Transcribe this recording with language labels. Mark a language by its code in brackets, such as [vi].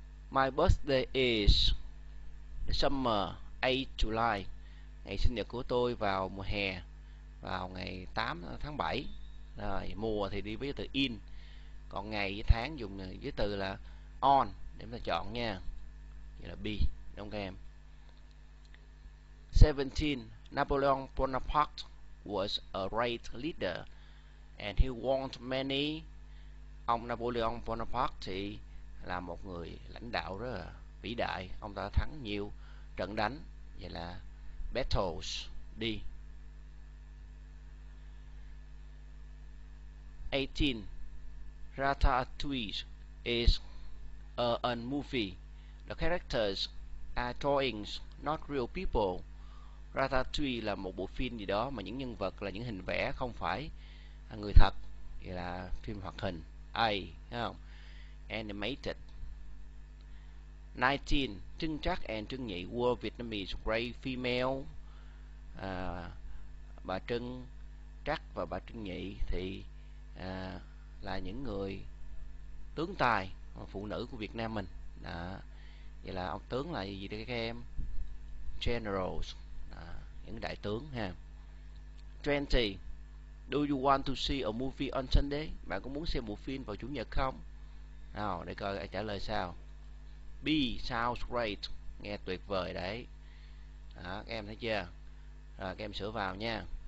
[en] My birthday is the summer, 8 July. [vi] Ngày sinh nhật của tôi vào mùa hè, vào ngày 8 tháng 7. Rồi, mùa thì đi với từ in. Còn ngày với tháng dùng với từ là on, để chúng ta chọn nha. Vậy là B, đúng không em? [en] 17. Napoleon Bonaparte was a great leader and he won many. [vi] Ông Napoleon Bonaparte thì là một người lãnh đạo rất là vĩ đại. Ông ta thắng nhiều trận đánh. Vậy là [en] battles. D. 18. Ratatouille is a movie. The characters are drawings, not real people. [vi] Ratatouille là một bộ phim gì đó mà những nhân vật là những hình vẽ, không phải người thật. Vậy là phim hoạt hình. A. Không? Animated. 19. [en] Trưng Trắc and Trưng Nhị were Vietnamese great female. [vi] Bà Trưng Trắc và bà Trưng Nhị thì là những người tướng tài, phụ nữ của Việt Nam mình. Đó. Vậy là ông tướng là gì đây các em? Generals. Đó. Những đại tướng ha. 20. [en] Do you want to see a movie on Sunday? [vi] Bạn có muốn xem bộ phim vào Chủ nhật không? Nào, để coi trả lời sao. B. [en] Sounds great. [vi] Nghe tuyệt vời đấy. Đó, các em thấy chưa? Rồi, các em sửa vào nha.